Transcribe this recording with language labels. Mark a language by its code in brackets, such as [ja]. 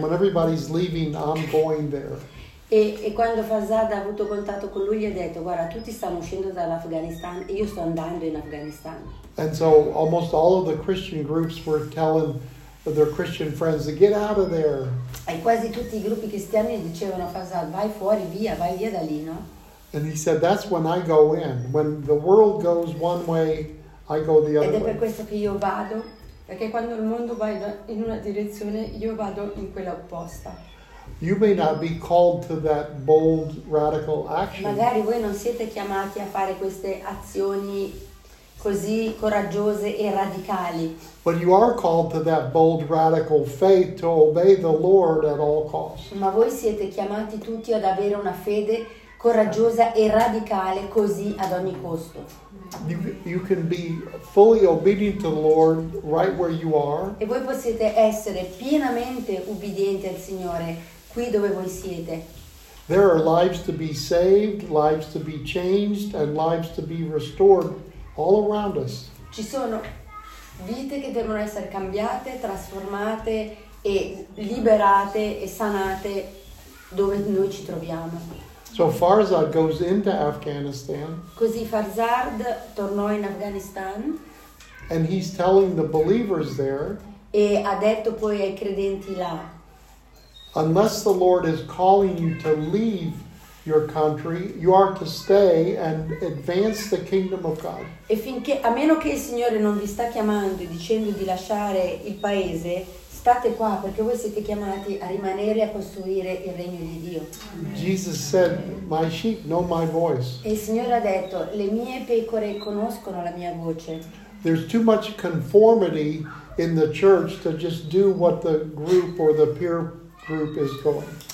[en] When everybody's leaving, I'm going there. [it] E quando Farzad ha avuto contatto con lui, gli ha detto, guarda, tutti stanno uscendo dall'Afghanistan e io sto andando in Afghanistan. [en] And so almost all of the Christian groups were telling their Christian friends to get out of there. [it] E quasi tutti i gruppi cristiani dicevano a Farzad, vai fuori, via, vai via da lì, no? [en] And he said, that's when I go in. When the world goes one way, I go the other way. [it] Ed è per questo che io vado, perché quando il mondo va in una direzione, io vado in quella opposta. [en] You may not be called to that bold, radical action. [it] Magari voi non siete chiamati a fare queste azioni così coraggiose e radicali. [en] But you are called to that bold, radical faith to obey the Lord at all costs. [it] Ma voi siete chiamati tutti ad avere una fede coraggiosa e radicale così ad ogni costo. [en] You can be fully obedient to the Lord right where you are. [it] E voi potete essere pienamente ubbidienti al Signore qui dove voi siete. [en] There are lives to be saved, lives to be changed, and lives to be restored all around us. [it] Ci sono vite che devono essere cambiate, trasformate e liberate e sanate dove noi ci troviamo. [en] So Farzad goes into Afghanistan. [it] Così Farzad tornò in Afghanistan. [en] And he's telling the believers there. [it] E ha detto poi ai credenti là. [en] Unless the Lord is calling you to leave your country, you are to stay and advance the kingdom of God. [it] E finché, a meno che il Signore non vi sta chiamando e dicendo di lasciare il paese, state qua perché voi siete chiamati a rimanere e a costruire il regno di Dio. [en] Jesus said, my sheep know my voice. [it] E il Signore ha detto, le mie pecore conoscono la mia voce. [en] There's too much conformity in the church to just do what the group or the peer group is going.